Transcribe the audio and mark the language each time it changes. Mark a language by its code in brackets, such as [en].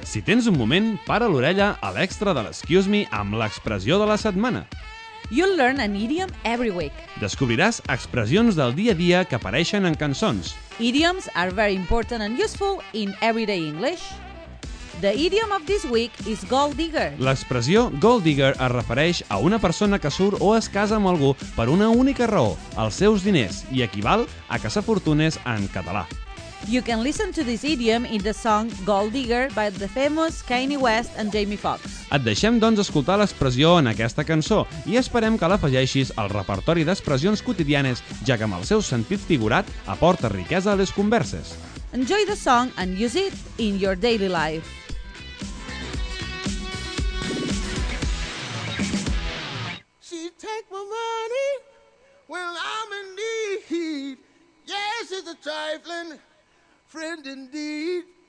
[ca] Si tens un moment, para l'orella a l'extra de l'Excuse Me amb l'expressió de la setmana. [en] You'll learn an idiom every week. [ca] Descobriràs expressions del dia a dia que apareixen en cançons. [en] Idioms are very important and useful in everyday English. The idiom of this week is gold digger. [ca] L'expressió gold digger es refereix a una persona que surt o es casa amb algú per una única raó, els seus diners, i equival a caçar fortunes en català. [en] You can listen to this idiom in the song Gold Digger by the famous Kanye West and Jamie Foxx. [ca] Et deixem, doncs, escoltar l'expressió en aquesta cançó i esperem que l'afegeixis al repertori d'expressions quotidianes, ja que amb el seu sentit figurat aporta riquesa a les converses. [en] Enjoy the song and use it in your daily life. She take my money when I'm in need. Yes, it's a trifling friend indeed.